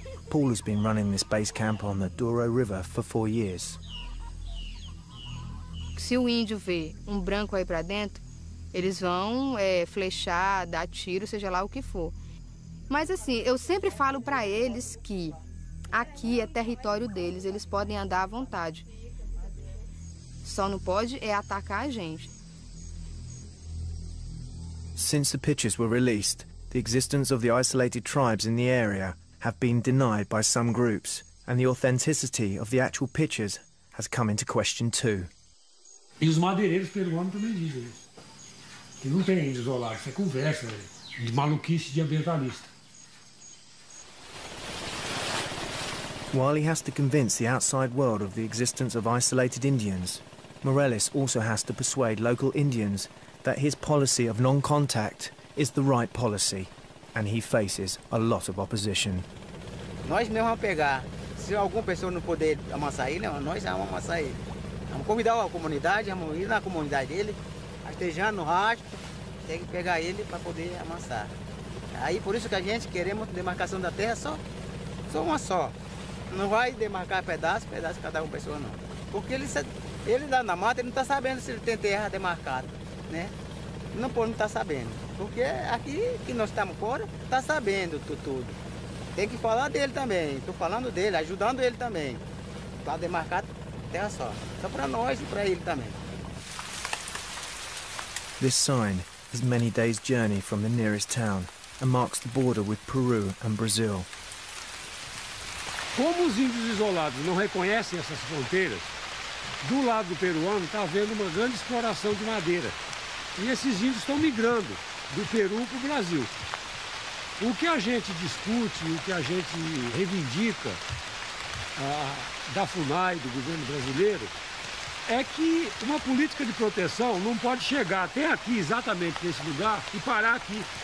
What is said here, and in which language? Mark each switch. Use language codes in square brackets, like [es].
[en] Paul has been running this base camp on the Douro River for 4 years. [pt] Se o índio vê um branco aí para dentro, eles vão flechar, dar tiro, seja lá o que for. Mas assim, eu sempre falo para eles que aqui é território deles, eles podem andar à vontade. Só não pode é atacar a gente. [en] Since the pictures were released, the existence of the isolated tribes in the area have been denied by some groups, and the authenticity of the actual pictures has come into question too. [pt] E os madeireiros pelo ano também dizem isso. Que não tem índios lá, isso é conversa de maluquice de ambientalista. [en] While he has to convince the outside world of the existence of isolated Indians, Morales also has to persuade local Indians that his policy of non-contact is the right policy, and he faces a lot of opposition. [pt] Nós mesmos vamos pegar. Se alguma pessoa não puder amassar ele, nós vamos amassar ele. Vamos convidar a comunidade, vamos ir na comunidade dele, artejando no rastro, tem que pegar ele para poder amassar. Aí por isso que a gente queremos demarcação da terra só uma só. Não vai demarcar pedaço cada uma pessoa não. Porque ele lá na mata, ele não está sabendo se ele tem terra demarcada, né? Não pode não estar sabendo. Porque aqui que nós estamos fora, está sabendo tudo. Tem que falar dele também, estou falando dele, ajudando ele também. Para demarcar terra só. Só para nós e para ele também. [en] This sign is many days' journey from the nearest town and marks the border with Peru and Brazil. [pt] Como os índios isolados não reconhecem essas fronteiras, do lado peruano está havendo uma grande exploração de madeira. E esses índios estão migrando do Peru para o Brasil. O que a gente discute, o que a gente reivindica da FUNAI, do governo brasileiro, é que uma política de proteção não pode chegar até aqui, exatamente nesse lugar, e parar aqui.